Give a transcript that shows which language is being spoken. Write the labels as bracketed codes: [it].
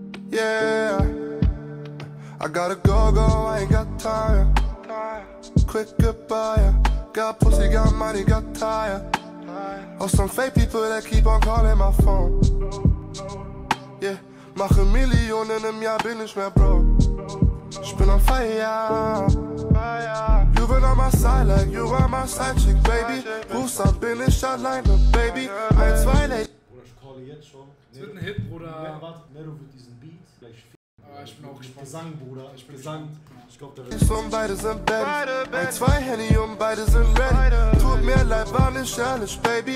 [en] Yeah. I gotta go, go, I ain't got time. Quick goodbye. Got pussy, got money, got time. Oh, some fake people that keep on calling my phone. [de] Yeah, mache Millionen im Jahr, bin nicht mehr bro. Ich bin [en] on fire. You been on my side like you are my side chick, baby. Who's up, [de] bin ich alleine, baby. 1, 2, Bruder, ich call jetzt schon. Es wird ein Hit, Bruder. Warte, Nero wird diesen Beat gleich. Ich bin auch gespannt. Gesang, Bruder. Ich bin Gesang. Ich glaub, der wird. Beide sind Baddies. Ein, zwei Henny und beide sind ready. Tut mir leid, war nicht ehrlich, Baby.